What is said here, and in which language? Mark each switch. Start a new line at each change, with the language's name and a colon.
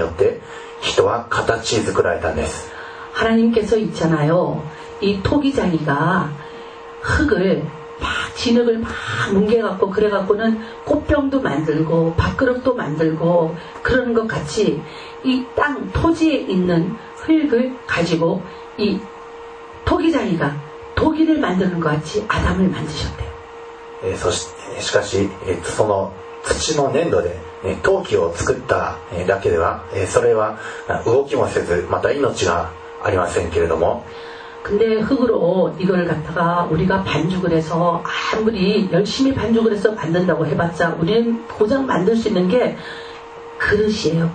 Japanese: ですから神である主は土地の塵によって人をですね、あたかも陶器師が粘土をこねて陶器師の手によって、なんか壺とかコップとか、そういったものが形作られるように主ご自身の御手の中によって人は形作られたんです。
Korean: 하나님께서 있잖아요. 이 토기장이가 흙을 막 진흙을 막 뭉개갖고 그래갖고는 꽃병도 만들고 밥그릇도 만들고 그러는 것 같이 이 땅 토지에 있는 흙을 가지고 이 토기장이가 토기를 만드는 것 같이 아담을 만드셨대요.
Japanese: しかし、その土の粘土で 陶器を作っただけでは、それは動きもせず、また命が ありませんけれども。
Korean: 근데 흙으로 이걸 갖다가 우리가 반죽을 해서 아무리 열심히 반죽을 해서 만든다고 해봤자 우리는 고장 만들 수 있는 게 그릇이에요.